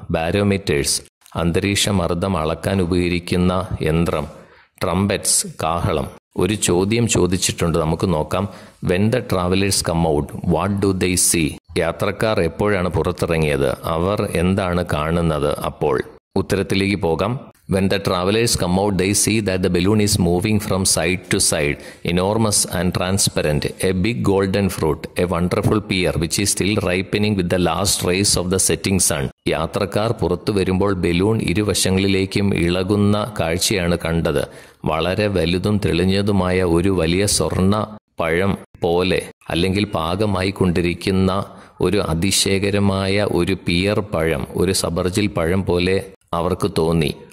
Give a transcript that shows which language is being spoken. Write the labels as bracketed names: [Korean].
[Malayalam] ബാരോമീറ്റേഴ്സ്, അന്തരീക്ഷ മർദ്ദം അളക്കാൻ ഉപയോഗിക്കുന്ന യന്ത്രം. ട്രംപറ്റ്സ്, കാഹളം. ഒരു ചോദ്യം ചോദിച്ചിട്ടുണ്ട്, നമുക്ക് നോക്കാം. [English] When the travellers come out what do they see. [Malayalam] യാത്രക്കാർ എപ്പോഴാണ് പുറത്തിറങ്ങിയത്, അവർ എന്താണ് കാണുന്നത് അപ്പോൾ? ഉത്തരത്തിലേക്ക് പോകാം. [English] When the travelers come out, they see that the balloon is moving from side to side, enormous and transparent, a big golden fruit, a wonderful pear, which is still ripening with the last rays of the setting sun. [Malayalam] യാത്രക്കാർ പുറത്തു വരുമ്പോൾ balloon ഇരുവശങ്ങളിലേക്കും ഇളകുന്ന കാഴ്ചയാണ് കണ്ടത്. വളരെ വലുതും തെളിഞ്ഞതുമായ ഒരു വലിയ സ്വർണ്ണ പഴം പോലെ, അല്ലെങ്കിൽ പാകമായിക്കൊണ്ടിരിക്കുന്ന ഒരു അതിശയകരമായ ഒരു പിയർ പഴം, ഒരു സബർജിൽ പഴം പോലെ അവർക്ക് തോന്നി.